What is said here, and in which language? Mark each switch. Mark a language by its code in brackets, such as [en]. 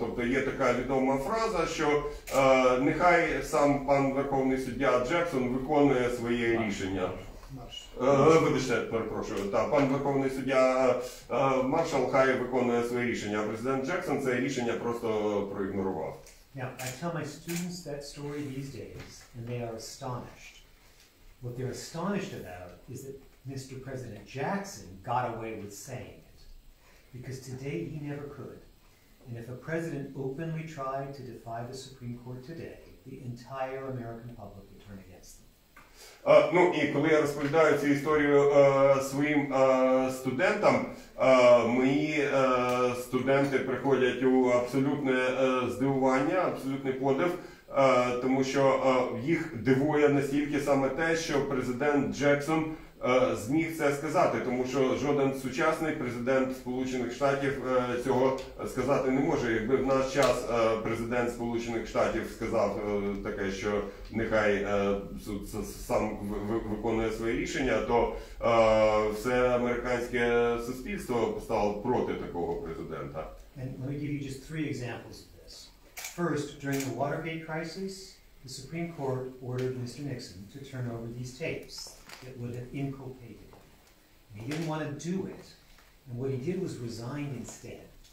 [uk] Тобто є така відома фраза, що нехай сам пан верховний суддя Джексон виконує своє рішення. Вибачте, перепрошую, та пан верховний суддя Маршалл хай виконує своє рішення, а президент Джексон це рішення просто проігнорував. [en] Now, I tell my students that story these days, and they are astonished. What they're astonished about is that Mr. President Jackson got away with saying it. Because today he never could. And if a president openly tried to defy the Supreme Court today, the entire American public would turn against them. [uk] Ну і коли я розповідаю цю історію своїм студентам, мої студенти приходять у абсолютне здивування, абсолютний подив, тому що їх дивує настільки саме те, що президент Джексон зміг це сказати, тому що жоден сучасний президент Сполучених Штатів цього сказати не може. Якби в наш час президент Сполучених Штатів сказав таке, що нехай суд сам виконує своє рішення, то все американське суспільство стало проти такого президента. [en] And let me give you just three examples of this. First, during the Watergate crisis, the Supreme Court ordered Mr. Nixon to turn over these tapes that would have inculpated him. And he didn't want to do it, and what he did was resign instead.